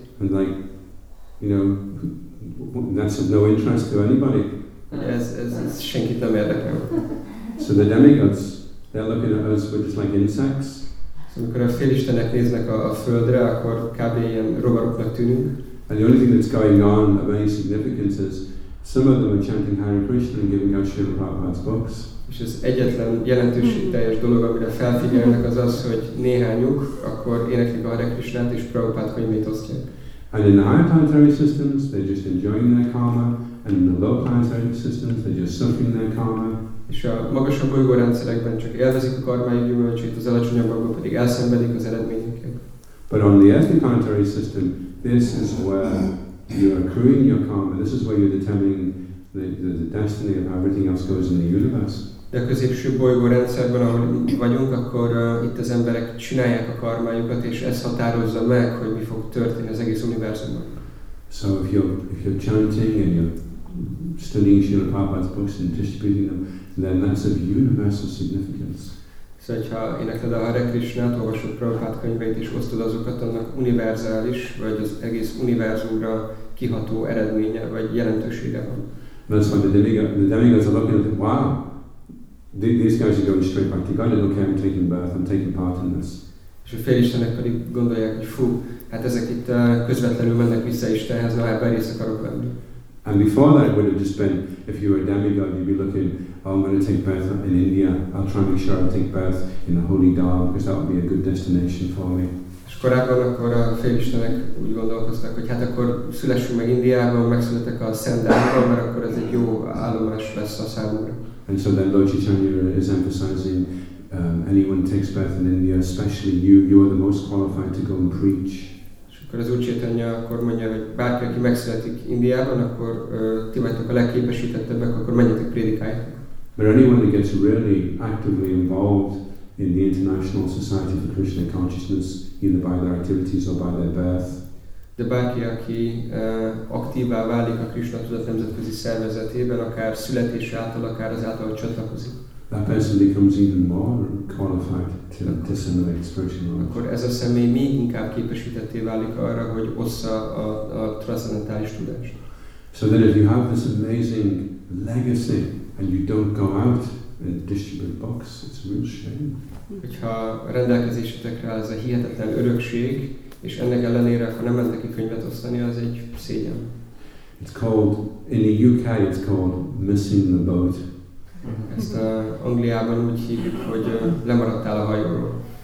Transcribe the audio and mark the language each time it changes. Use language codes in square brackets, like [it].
[en] And like, you know, that's of no interest to anybody. [hu] Ez senkit nem érdekel. [en] So the demigods, they're looking at us with just like insects. [hu] So amikor a félistenek néznek a földre, akkor kb. Ilyen rovaroknak tűnünk. [en] And the only thing that's going on of any significance is some of them are chanting Hare Krishna and giving out Srila Prabhupada's books. [hu] És az egyetlen jelentőség teljes dolog, amire felfigyelnek, az az, hogy néhányuk akkor éneklik a Hare Krishnát és Prabhupada könyvét osztják. [en] And in the higher planetary systems, they're just enjoying their karma, and in the low planetary systems, they're just suffering their karma. [hu] És a magasabb bolygórendszerekben csak élvezik a karmájuk gyümölcsét, az alacsonyabbakban pedig elszenvedik az eredményeket. [en] But on the earthly planetary system, this is where you're accruing your karma, this is where you're determining the destiny of everything else goes in the universe. [hu] De a középső bolygórendszerben, ahol vagyunk, akkor itt az emberek csinálják a karmájukat, és ez határozza meg, hogy mi fog történni az egész univerzumban. [en] So if you're chanting and you're studying Srila Prabhupada's books and distributing them, then that's of universal significance. [hu] Szóval, hogyha énekled a Hare Krishnát, olvasod Prabhupada könyveit és osztod azokat, annak univerzális, vagy az egész univerzumra kiható eredménye, vagy jelentősége van. [en] That's why the demigods are looking at it, wow, these guys are going straight back to God, it's okay, I'm taking birth, I'm taking part in this. [hu] És a félistenek pedig gondolják, hogy fú, hát ezek itt közvetlenül mennek vissza Istenhez, na ebben részt akarok venni. [en] And before that it would have just been, if you were a demigod, you'd be looking, oh, I'm going to take birth in India, I'll try and make sure I take birth in the holy Dal, because that would be a good destination for me. [hu] És korábban akkor a félistenek úgy gondolkoztak, hogy hát akkor szülessünk meg Indiában, megszületek a Szent Dalban, mert akkor ez egy jó állomás lesz a számunkra. [en] And so then Lord Chaitanya is emphasizing, anyone takes birth in India, especially you are the most qualified to go and preach. [hu] Akkor az Úr Chaitanya akkor mondja, hogy bárki, aki megszületik Indiában, akkor ti vagytok a legképesítettebbek, akkor menjetek prédikáljátok. [en] But anyone that gets really actively involved in the International Society for Krishna Consciousness either by their activities or by their birth. [hu] De bárki, aki aktívvá válik a Krishna tudat nemzetközi szervezetében, akár születése által, akár azáltal, hogy csatlakozik. [en] That person becomes even more qualified to disseminate spiritual knowledge. [hu] Akkor ez a személy még inkább képesítetté válik arra, hogy ossza a transzendentális tudást. [en] So that if you have this amazing legacy and you don't go out and distribute books, it's a real shame. [hu] Hogyha rendelkezésetekre áll ez a hihetetlen örökség, és ennek ellenére, ha nem mentek ki könyvet osztani, az egy szégyen. [en] It's called, in the UK it's called missing the boat. [hu] Ezt Angliában úgy hívjuk, hogy lemaradtál a hajóról.